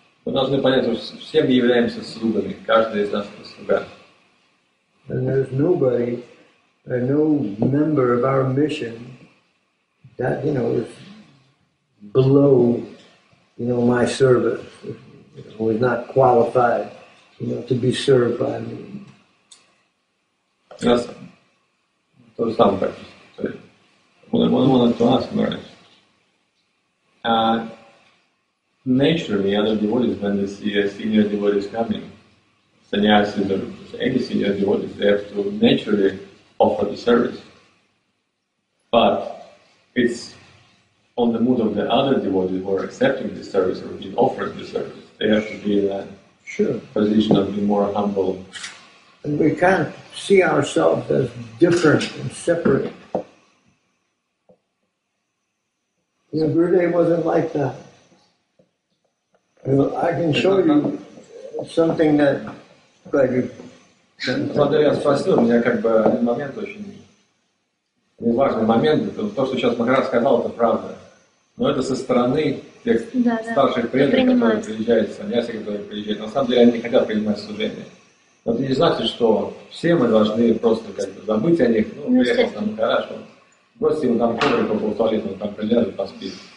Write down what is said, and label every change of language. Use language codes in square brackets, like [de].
[ru] Мы должны понять, что все мы являемся слугами, каждый из нас это слуга. [en] And there's nobody, no member of our mission that, you know, is below, you know, my service, you know, is not qualified, you know, to be served by me. Yes. [ru] То же самое практически. [en] One of the last words. Naturally, other devotees, when they see a senior devotee coming, sannyasis or any senior devotees, they have to naturally offer the service. But it's on the mood of the other devotees who are accepting the service or being offered the service. They have to be in that position of being more humble. And we can't see ourselves as different and separate. You know, Gurudev wasn't like that. You know, I can show you something that, like, [ru] важный момент, то, что сейчас Махарадж сказал, это правда. Но это со стороны тех старших преданных, которые приезжают в саньяси, которые приезжают. На самом деле они не хотят принимать служение. Но это не значит, что все мы должны просто как-то забыть о них, ну, приехал там Махарадж, бросить ему там коврик около туалета, он там прилежит, поспит.